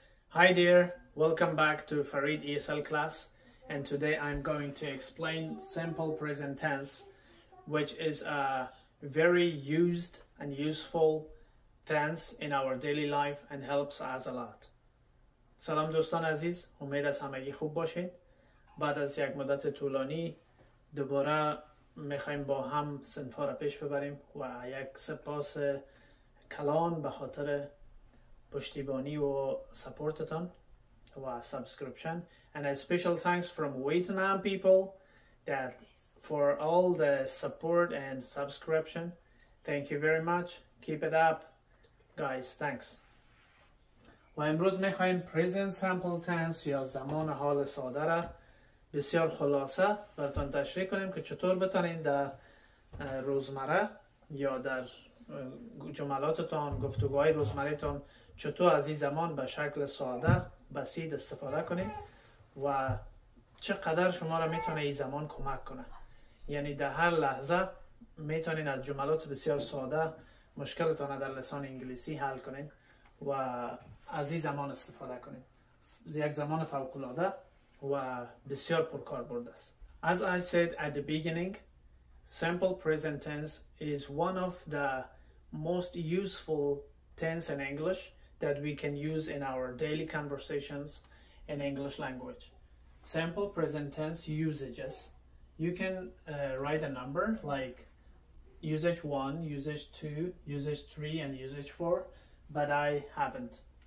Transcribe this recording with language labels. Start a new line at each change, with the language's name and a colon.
English: Hi dear, welcome back to Farid ESL class, and today I'm going to explain simple present tense, which is a very used and useful tense in our daily life and helps us a lot.
Persian: سلام دوستان عزیز، امید از همگی خوب باشین. بعد از یک مدت طولانی دوباره میخواییم با هم صنفا را پیش ببریم و یک سپاس کلان به خاطر پشتیبانی و سپورتتان و سبسکرپشن.
English: And a special thanks from Vietnam people that for all the support and subscription. Thank you very much. Keep it up. Guys, thanks.
Persian: و امروز میخواییم
English: present simple tense
Persian: یا زمان حال ساده را بسیار خلاصه براتون تشریح کنیم که چطور بتونید در روزمره یا در جملاتتان، گفتگوهای روزمرهتان چطور از این زمان به شکل ساده بسیط استفاده کنید و چقدر شما را میتونه این زمان کمک کنه. یعنی در هر لحظه میتونید از جملات بسیار ساده مشکلتان را در لسان انگلیسی حل کنید و از این زمان استفاده کنید. یک زمان فوق‌العاده و بسیار پرکاربرد است.
English: As I said at the beginning, simple present tense is one of the most useful tense in English that we can use in our daily conversations in English language. Simple present tense usages. You can write a number like usage 1, usage 2, usage 3, and usage 4, but I haven't.